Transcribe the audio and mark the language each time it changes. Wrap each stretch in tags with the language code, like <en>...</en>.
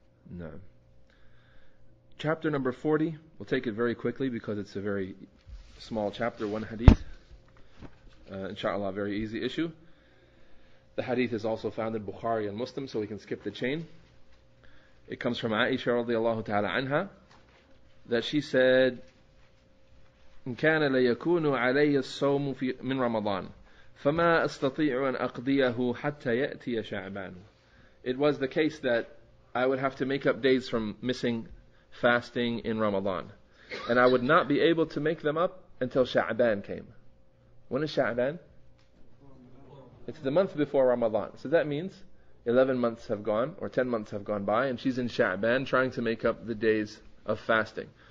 <en>No. Chapter number 40, we'll take it very quickly because it's a very small chapter, one hadith. Inshallah, very easy issue. The hadith is also found in Bukhari and Muslim, so we can skip the chain. It comes from Aisha radiallahu ta'ala anha, that she said,</en> <ar>إن كان ليكون علي الصوم من رمضان فما أستطيع أن أقضيه حتى يأتي شعبان.</ar> <en>It was the case that I would have to make up days from missing fasting in Ramadan, and I would not be able to make them up until Sha'ban came. When is Sha'ban? It's the month before Ramadan. So that means 11 months have gone, or 10 months have gone by, and she's in Sha'ban trying to make up the days of fasting.</en>